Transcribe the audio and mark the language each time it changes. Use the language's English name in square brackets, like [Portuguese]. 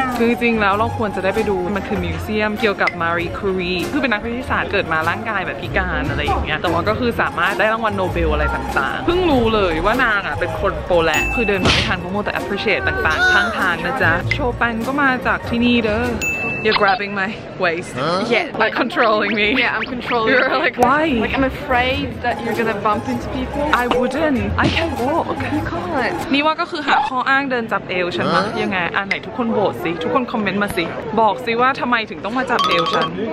[Thai] คือจริงแล้วเราควรจะได้ไปดูมันคือมิวเซียมเกี่ยวกับมารีคูรีคือเป็นนักวิทยาศาสตร์เกิดมาร่างกายแบบพิการอะไรอย่างเงี้ยแต่ว่าก็คือสามารถได้รางวัลโนเบลอะไรต่างๆเพิ่งรู้เลยว่านางอ่ะเป็นคนโปแลนด์คือเดินมาไม่ทันพวกมันแต่ appreciate ต่างๆข้างทางนะจ๊ะโชปันก็มาจากที่นี่เด้อ [English] You're grabbing my waist huh? Yeah like controlling me Yeah I'm controlling You're like why like I'm afraid that you're gonna bump into people I wouldn't I can walk you can't [Thai] นี่ว่าก็คือหาข้ออ้างเดินจับเอวฉันมายังไงอ่านไหนทุกคนโบสิทุกคนคอมเมนต์มาสิบอกสิว่าทำไมถึงต้องมาจับเอวฉัน